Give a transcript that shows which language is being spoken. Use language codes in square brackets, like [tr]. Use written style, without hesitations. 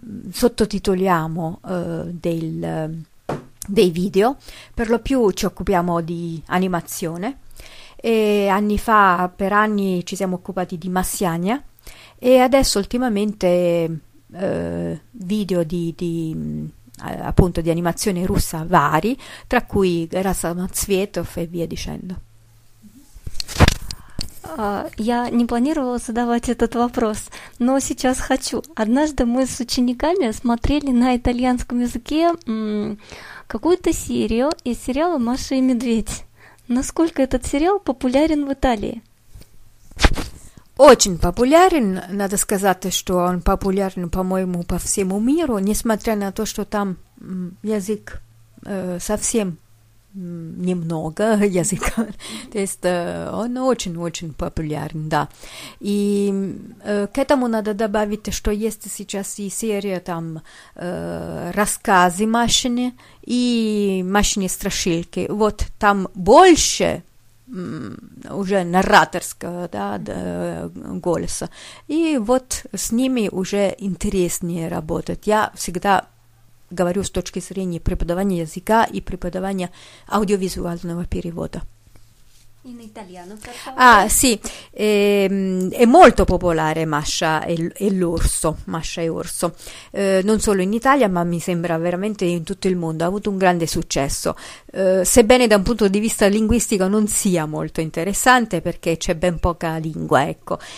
[it] Sottotitoliamo dei video, per lo più ci occupiamo di animazione, e anni fa, per anni, ci siamo occupati di Masiania, e adesso ultimamente video di appunto di animazione russa vari, tra cui Gora Samocvetov e via dicendo. [ru] Я не планировала задавать этот вопрос, но сейчас хочу. Однажды мы с учениками смотрели на итальянском языке какую-то серию из сериала «Маша и Медведь». Насколько этот сериал популярен в Италии? Очень популярен. Надо сказать, что он популярен, по-моему, по всему миру, несмотря на то, что там язык совсем немного языка. То есть он очень-очень популярен, да. И к этому надо добавить, что есть сейчас и серия там рассказы Машины и Машины-страшилки. Вот там больше уже нарраторского, да, голоса. И вот с ними уже интереснее работать. Я всегда говорю с точки зрения преподавания языка и преподавания аудиовизуального перевода. И на итальяно. [it] Ah, sì. È molto popolare Masha e l'orso, Masha e Orso. Non solo in Italia, ma mi sembra veramente in tutto il mondo. Ha avuto un grande successo. Sebbene da un punto di vista linguistico non sia molto interessante, perché c'è ben poca lingua, ecco.